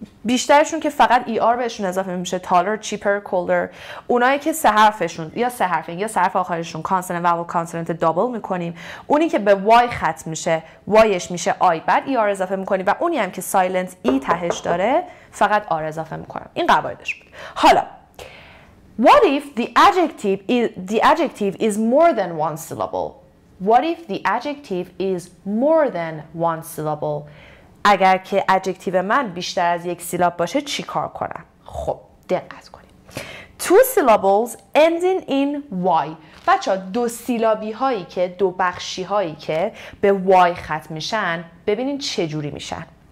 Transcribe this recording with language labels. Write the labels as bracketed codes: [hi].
[fa] بیشترشون که فقط ER بهشون اضافه میشه, [en] taller, cheaper, colder. [fa] اونایی که سه حرفشون یا سه حرف یا سه حرف آخرشون consonant, vowel, consonant double میکنیم, اونی که به Y ختم میشه Yش میشه I بعد ER اضافه میکنیم, و اونی هم که silent E تهش داره فقط R اضافه میکنم. این قواعدش بود. [en] حالا What if the adjective is more than one syllable? What if the adjective is more than one syllable? [fa] اگر که ادجکتیو من بیشتر از یک سیلاب باشه چی کار کنم؟ خب دقت کنیم. [en] Two syllables ending in y. [fa] بچه ها دو سیلابی هایی که دو بخشی هایی که به y ختم میشن ببینین چه جوری میشن.